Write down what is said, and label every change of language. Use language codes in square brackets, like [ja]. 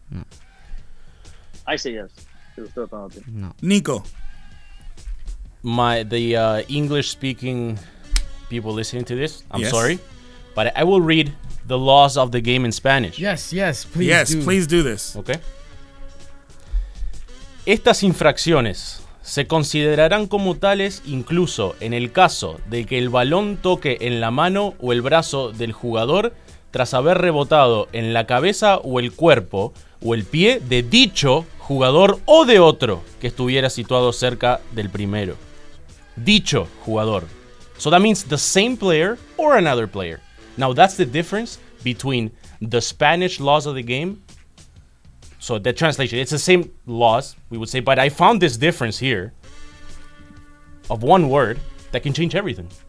[en] No. I say yes. It was still a penalty. No. Nico. The English-speaking people listening to this, I'm sorry. But I will read the laws of the game in Spanish. Yes, please do this. Okay. [es] Estas infracciones se considerarán como tales incluso en el caso de que el balón toque en la mano o el brazo del jugador tras haber rebotado en la cabeza o el cuerpo o el pie de dicho jugador o de otro que estuviera situado cerca del primero. Dicho jugador. [en] So that means the same player or another player. Now that's the difference between the Spanish laws of the game. So the translation, it's the same laws, we would say, but I found this difference here of one word that can change everything.